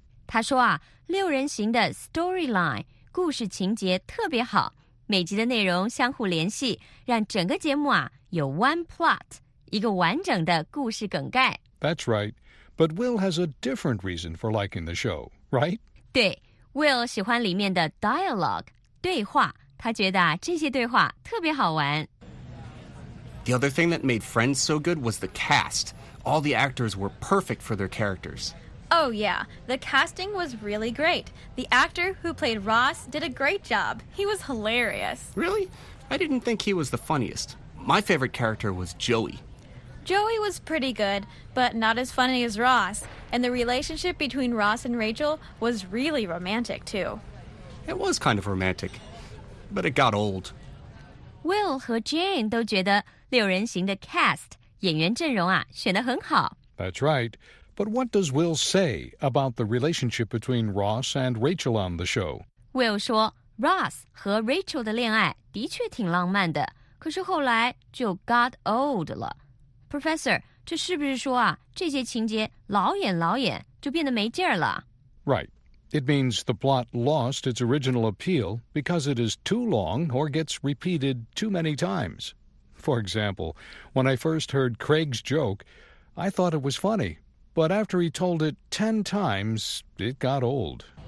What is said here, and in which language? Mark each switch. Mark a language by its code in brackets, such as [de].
[zh] 她说啊，六人行的 storyline, 故事情节特别好，每集的内容相互联系，让整个节目啊有 [en] one plot, [zh] 一个完整的故事梗概。 [en] That's right, but Will has a different reason for liking the show, right? [zh] 对 ,Will 喜欢里面的 dialogue, 对话。他觉得这些对话特别好玩。 [en] The other thing that made Friends so good was the cast. All the actors were perfect for their characters. Oh yeah, the casting was really great. The actor who played Ross did a great job. He was hilarious. Really? I didn't think he was the funniest. My favorite character was Joey. Joey was pretty good, but not as funny as Ross. And the relationship between Ross and Rachel was really romantic, too. It was kind of romantic. But it got old. [zh] Will 和 Jane 都觉得六人行的 cast 演员阵容啊选得很好。 [en] That's right. But what does Will say about the relationship between Ross and Rachel on the show? [zh] Will 说 Ross 和 Rachel 的恋爱的确挺浪漫的，可是后来就 [en] got old [zh] 了。Professor, 这是不是说啊，这些情节老演老演就变得没劲儿了 [en] ？Right. It means the plot lost its original appeal because it is too long or gets repeated too many times. For example, when I first heard Craig's joke, I thought it was funny. But after he told it 10 times, it got old.